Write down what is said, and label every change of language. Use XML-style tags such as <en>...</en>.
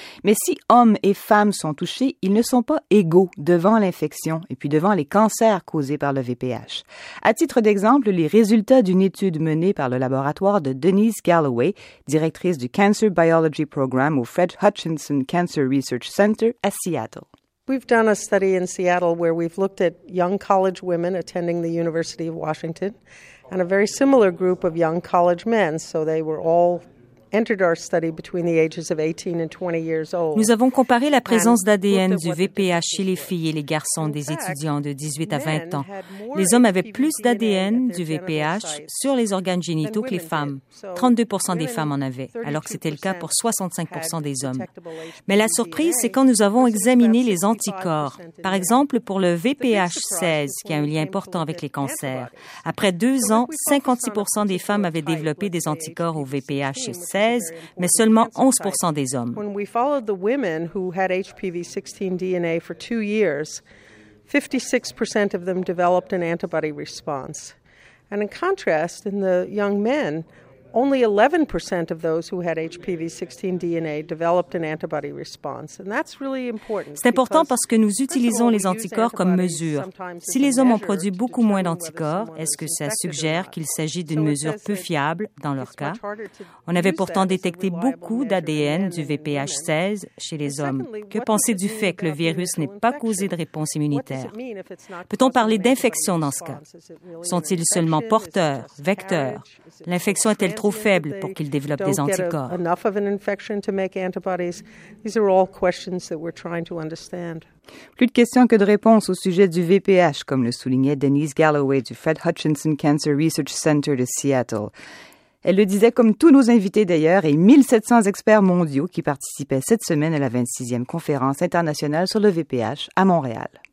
<fr>Mais si hommes et femmes sont touchés, ils ne sont pas égaux devant l'infection et puis devant les cancers causés par le VPH. À titre d'exemple, les résultats d'une étude menée par le laboratoire de Denise Galloway, directrice du Cancer Biology Program au Fred Hutchinson Cancer Research Center à Seattle.</fr> <en>We've done a study in Seattle where we've looked at young college women attending the University of Washington and a very similar group of young college men, so they were all entered our study between the ages of 18 and 20 years old.</en> <fr>Nous avons comparé la présence d'ADN du VPH chez les filles et les garçons des étudiants de 18 à 20 ans. Les hommes avaient plus d'ADN du VPH sur les organes génitaux que les femmes. 32% des femmes en avaient, alors que c'était le cas pour 65% des hommes. Mais la surprise, c'est quand nous avons examiné les anticorps. Par exemple, pour le VPH16, qui a un lien important avec les cancers, après 2 ans, 56% des femmes avaient développé des anticorps au VPH16. Mais seulement 11% des hommes.</fr> <en>When we followed the women who had HPV 16 DNA for 2 years, 56% of them developed an antibody response. And in contrast, in the young men, only 11% of those who had HPV 16 DNA developed an antibody response. And that's really important.</en> <fr>C'est important parce que nous utilisons les anticorps comme mesure. Si les hommes ont produit beaucoup moins d'anticorps, est-ce que ça suggère qu'il s'agit d'une mesure peu fiable dans leur cas? On avait pourtant détecté beaucoup d'ADN du VPH16 chez les hommes. Que penser du fait que le virus n'ait pas causé de réponse immunitaire? Peut-on parler d'infection dans ce cas? Sont-ils seulement porteurs, vecteurs? L'infection est-elle trop faible pour qu'ils développent des anticorps?</fr> <en>Enough of an infection to make antibodies. These are all questions that we're trying to understand.</en> <fr>Plus de questions que de réponses au sujet du VPH, comme le soulignait Denise Galloway du Fred Hutchinson Cancer Research Center de Seattle. Elle le disait comme tous nos invités d'ailleurs et 1700 experts mondiaux qui participaient cette semaine à la 26e conférence internationale sur le VPH à Montréal.</fr>